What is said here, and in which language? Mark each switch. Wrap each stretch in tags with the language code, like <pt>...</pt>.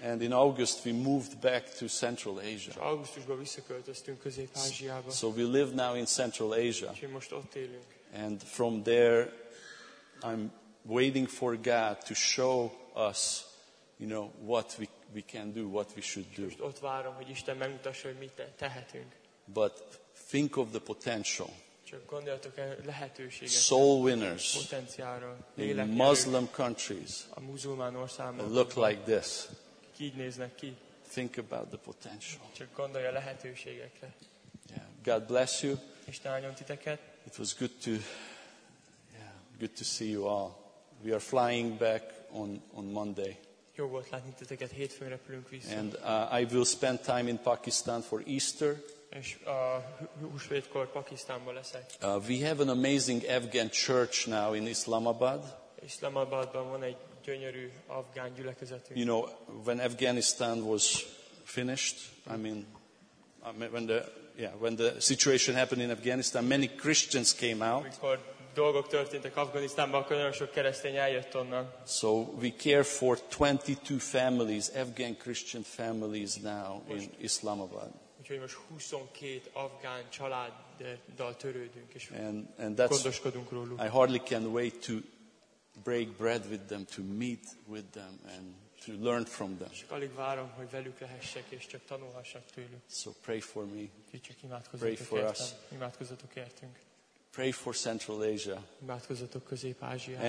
<en>And in August we moved back to Central Asia.</en> <hu>És augusztusban visszaköltöztünk Közép-Ázsiába.</hu> <en>So we live now in Central Asia.</en> <hu>És most ott élünk.</hu> <en>And from there I'm waiting for God to show us, you know, what we can do, what we should do.</en> <hu>Ott várom, hogy Isten megmutassa, hogy mit tehetünk.</hu> <en>But think of the potential.</en> <hu>Csak gondoljatok a lehetőséget.</hu> <en>Soul winners.</en> <hu>Potenciálra.</hu> <en>In Muslim countries.</en> <hu>A muzulmán országokban.</hu> <en>Look like this.</en> <hu>Így néznek ki.</hu> <en>Think about the potential.</en> <hu>Csak gondolj a lehetőségekre.</hu> <en>Yeah. God bless you.</en> <hu>Isten áldjon titeket.</hu> <en>It was good to see you all. We are flying back on Monday.</en> <hu>Jó volt látni titeket, hétfőn repülünk vissza.</hu> <en>And I will spend time in Pakistan for Easter.</en> <hu>És húsvétkor Pakisztánban leszek.</hu> <en>We have an amazing Afghan church now in Islamabad.</en> <hu>Islamabadban van egy gyönyörű afgán gyülekezetünk.</hu> <en>You know, when Afghanistan was finished, when the situation happened in Afghanistan, many Christians came out.</en> <hu>Dolgok történtek Afganisztánban, akkor nagyon sok keresztény eljött onnan.</hu> <en>So we care for 22 families, Afghan Christian families now in Islamabad.</en> <hu>Úgyhogy most 22 afgán családdal törődünk és gondoskodunk róluk.</hu> <en>I hardly can wait to break bread with them, to meet with them and to learn from them.</en> <hu>Csak alig várom, hogy velük lehessek és csak tanulhassak tőlük.</hu> <en>So pray for me.</en> <hu>Kicsit imádkozzatok értem.</hu> <en>Pray for us.</en> <hu>Imádkozzatok értünk.</hu> <en>Pray for Central Asia.</en> <hu>Imádkozzatok Közép-Ázsiáért.</hu>